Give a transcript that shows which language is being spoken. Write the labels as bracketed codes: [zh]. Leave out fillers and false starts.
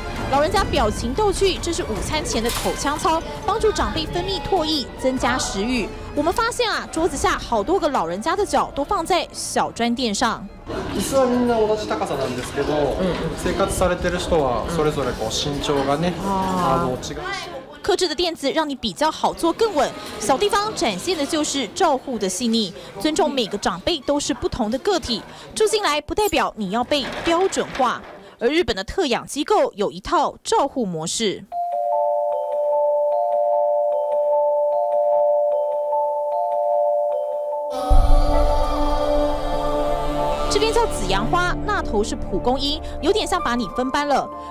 [zh] 老人家表情逗趣，这是午餐前的口腔操，帮助长辈分泌唾液，增加食欲。我们发现啊，桌子下好多个老人家的脚都放在小砖垫上。 [ja] 椅子はみんな同じ高さなんですけど、生活されてる人はそれぞれこう身長がね、違う。 [zh] 克制的垫子让你比较好坐更稳，小地方展现的就是照护的细腻，尊重每个长辈都是不同的个体，住进来不代表你要被标准化。而日本的特养机构有一套照护模式，这边叫紫阳花，那头是蒲公英，有点像把你分班了。